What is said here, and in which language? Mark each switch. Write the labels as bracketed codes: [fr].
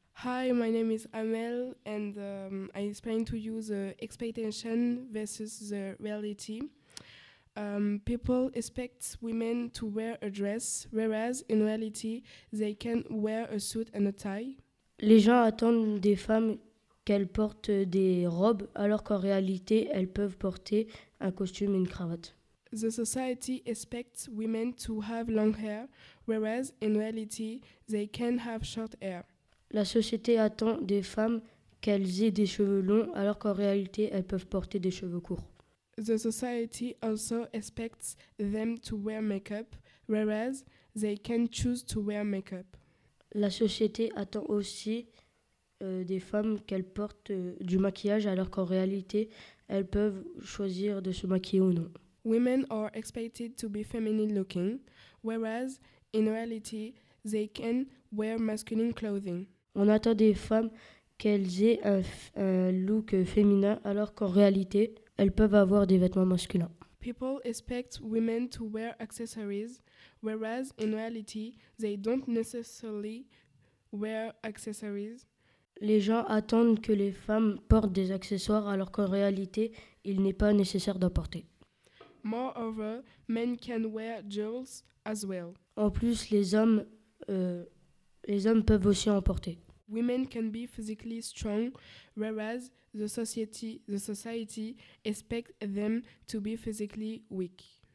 [en] Hi, my name is Amel, and I explain to you the expectation versus the reality. People expect women to wear a dress, whereas in reality, they can wear a suit and a tie. [fr] Les gens attendent des femmes qu'elles portent des robes, alors qu'en réalité, elles peuvent porter un costume et une cravate. [en] The society expects women to have long hair, whereas in reality, they can have short hair. [fr] La société attend des femmes qu'elles aient des cheveux longs, alors qu'en réalité, elles peuvent porter des cheveux courts. [en] The society also expects them to wear makeup, whereas they can choose to wear makeup. [fr] La société attend aussi des femmes qu'elles portent du maquillage, alors qu'en réalité, elles peuvent choisir de se maquiller ou non. [en] Women are expected to be feminine looking, whereas in reality, they can wear masculine clothing. [fr] On attend des femmes qu'elles aient un look féminin, alors qu'en réalité, elles peuvent avoir des vêtements masculins. [en] People expect women to wear accessories, whereas in reality, they don't necessarily wear accessories. [fr] Les gens attendent que les femmes portent des accessoires, alors qu'en réalité, il n'est pas nécessaire d'en porter. [en] Moreover, men can wear jewels as well. [fr] En plus, les hommes peuvent aussi en porter. [en] Women can be physically strong, whereas the society expects them to be physically weak.